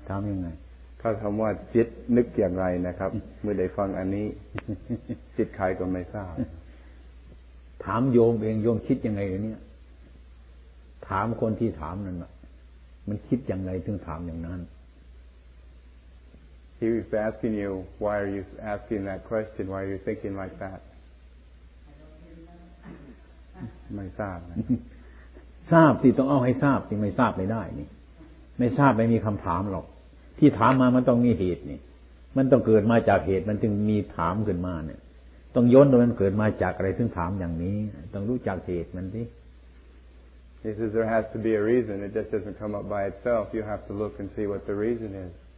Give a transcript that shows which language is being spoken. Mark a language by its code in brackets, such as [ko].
[th] ถามยังไง เขาถามว่าจิตนึกอย่างไรนะครับเมื่อได้ฟังอันนี้จิตใครก็ไม่ทราบ ถามโยมเองโยมคิดยังไงเนี่ยถามคนที่ถามนั่นน่ะมันคิดอย่างไรถึงถามอย่างนั้น [en] He is asking you why are you asking that question why are you thinking like that [th] ไม่ทราบ ทราบที่ต้องเอาให้ทราบที่ไม่ทราบไม่ได้นี่ไม่ทราบไม่มีคำถามหรอกที่ถามมามันต้องมีเหตุนี่มันต้องเกิดมาจากเหตุมันจึงมีถามขึ้นมาเนี่ยต้องย้อนตรงนั้นเกิดมาจากอะไรถึงถามอย่างนี้ต้องรู้จักเหตุมันสิ [en] He says there has to be a reason it just doesn't come up by itself you have to look and see what the reason is